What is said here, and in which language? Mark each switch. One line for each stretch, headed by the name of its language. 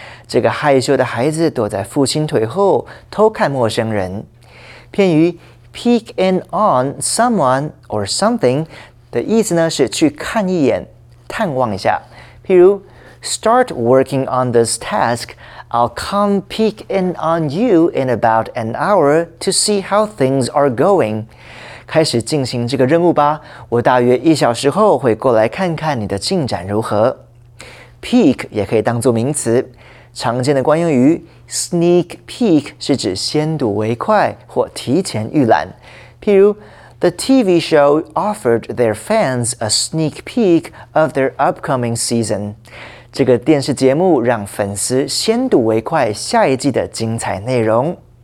Chinese: 这个害羞的孩子躲在父亲腿后偷看陌生人。偏于
English: peek in on someone or something
Chinese: 的意思呢是去看一眼，探望一下。譬如
English: Start working on this task. I'll come peek in on you in about an hour to see how things are going.
Chinese: 开始进行这个任务吧，我大约一小时后会过来看看你的进展如何。 Peek 也可以当作名词，常见的惯用语 sneak peek 是指先睹为快或提前预览。譬如
English: The TV show offered their fans a sneak peek of their upcoming season.
Chinese: 这个电视节目让粉丝先睹为快下一季的精彩内容。